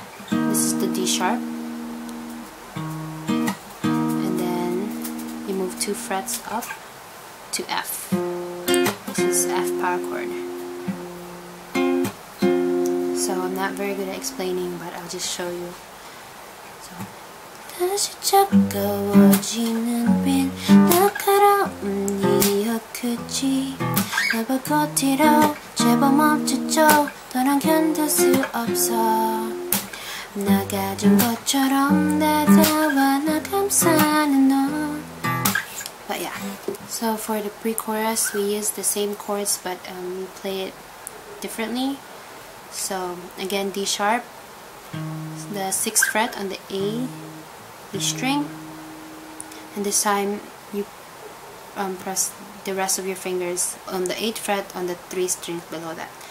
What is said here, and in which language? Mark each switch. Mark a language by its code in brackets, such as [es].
[en] This is the D sharp, and then you move two frets up to F. This is F power chord. Not very good at explaining, but I'll just show you. [ko] So, 다시 차가워지는 빛 날카로운 네 혀끝이 날 밟고 뒤로 제법 멈추죠. 더 난 견딜 수 없어. 나 가진 것처럼 내다와 나 감싸는 너. [en] But yeah, so for the pre-chorus, we use the same chords, but we play it differently. So again, D sharp, the 6th fret on the A string, and this time you press the rest of your fingers on the 8th fret on the 3 strings below that.